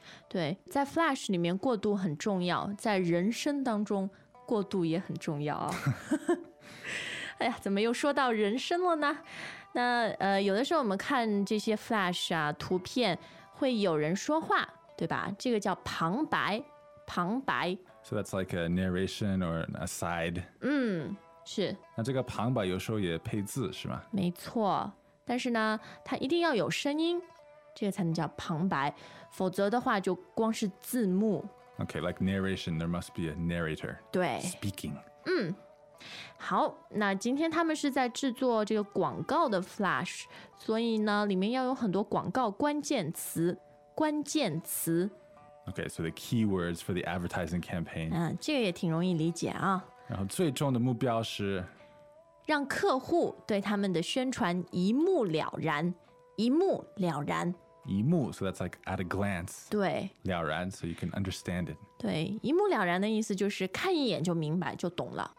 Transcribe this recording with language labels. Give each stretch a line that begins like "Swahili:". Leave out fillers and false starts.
Chinese: 对，在 Flash 里面过渡很重要，在人生当中过渡也很重要啊。哎呀，怎么又说到人生了呢？那有的时候我们看这些 Flash 啊图片，会有人说话，对吧？这个叫旁白。旁白。
English: So that's like a narration or an aside.
Chinese: 嗯，是。那这个旁白有时候也配字是吗？没错，但是呢它一定要有声音，这个才能叫旁白，否则的话就光是字幕。
English: Okay, like narration, there must be a narrator.
Chinese: 对，
English: speaking。
Chinese: 嗯，好，那今天他们是在制作这个广告的 flash， 所以呢里面要有很多广告关键词，关键词。
English: Okay, so the keywords for the advertising campaign.
Chinese: 这个也挺容易理解啊。然后最终的目标是让客户对他们的宣传一目了然，一目了然。
English: 一目 so that's like at a glance.
Chinese: 对。
English: 了然 so you can understand it.
Chinese: 对，一目了然的意思就是看一眼就明白，就懂了。